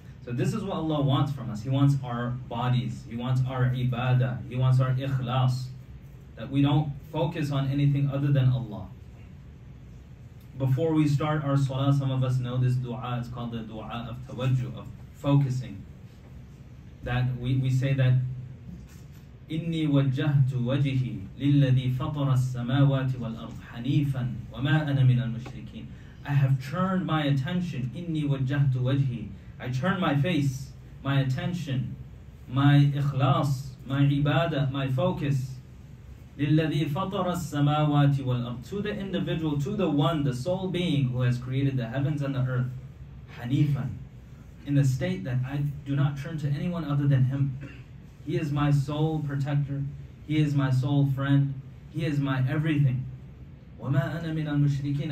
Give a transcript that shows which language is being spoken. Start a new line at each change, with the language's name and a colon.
English: So this is what Allah wants from us. He wants our bodies. He wants our ibadah. He wants our ikhlas. That we don't focus on anything other than Allah. Before we start our salah, some of us know this dua. It's called the dua of tawajjuh, of focusing. That we say that,
Arabic: إني وجهت وجهي للذي فطر السماوات والأرض حنيفا وما أنا من المشركين.
English: I have turned my attention.
Arabic: إني وجهت وجهي.
English: I turn my face, my attention, my ikhlas, my ibadah, my focus.
Arabic: للذي فطر السماوات والأرض.
English: To the individual, to the one, the sole being who has created the heavens and the earth.
Arabic: حنيفا.
English: In the state that I do not turn to anyone other than him. He is my sole protector. He is my sole friend. He is my everything.
Arabic: وَمَا أَنَا مِنَ الْمُشْرِكِينَ.